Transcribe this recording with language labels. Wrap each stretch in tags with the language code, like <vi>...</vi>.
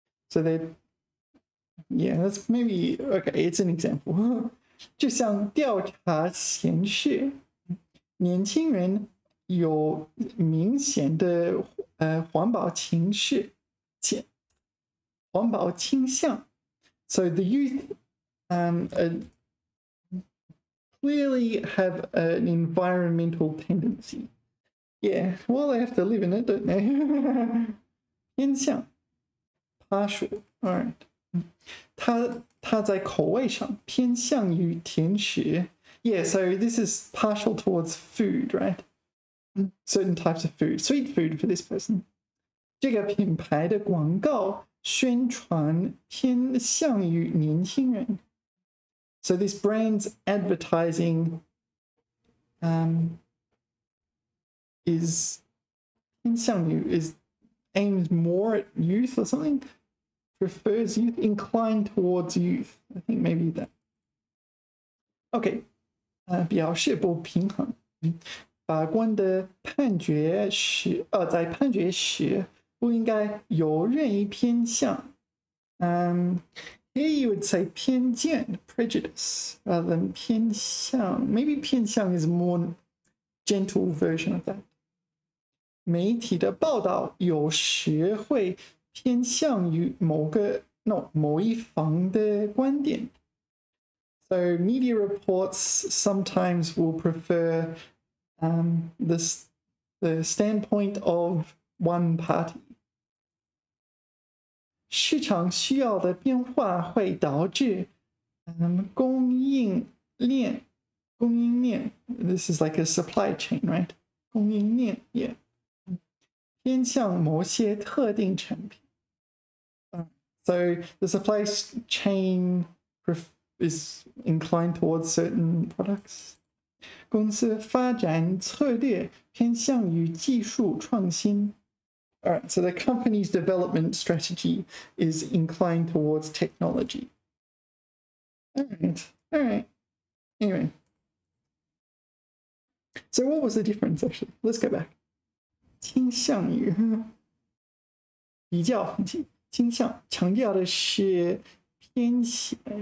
<en>So that's maybe, okay, it's an example.</en> <zh>就像调查显示，年轻人有明显的环保情绪，环保倾向。</zh> <en>So the youth clearly have an environmental tendency. Yeah, well, they have to live in it, don't they?</en> <zh>偏向，他说</zh> <en>，All right，</en> <zh>他在口味上偏向于甜食。</zh> <en>Yeah, so this is partial towards food, right? Certain types of food, sweet food for this person.</en> <zh>这个品牌的广告宣传偏向于年轻人。</zh> <en>So this brand's advertising is aimed more at youth or something? Prefers youth, inclined towards youth. I think maybe that.</en> <zh>Okay. 表示不平衡。法官的判决时，在判决时不应该有任意偏向。</zh> <en>Here you would say 偏见 prejudice, rather than 偏向。 Maybe 偏向 is a more gentle version of that.</en> <zh>媒体的报道有时会偏向于某一方的观点。</zh> <en>So media reports sometimes will prefer the standpoint of one party.</en> <zh>市场需要的变化会导致供应链</zh> <en>This is like a supply chain, right?</en> <zh>供应链 yeah. 偏向某些特定产品</zh> <en>So the supply chain is inclined towards certain products.</en> <zh>公司发展策略偏向于技术创新。</zh> <en>Alright, so the company's development strategy is inclined towards technology. Alright. Anyway. So what was the difference, actually? Let's go back.</en> <zh>倾向于比较倾向强调的是偏斜</zh>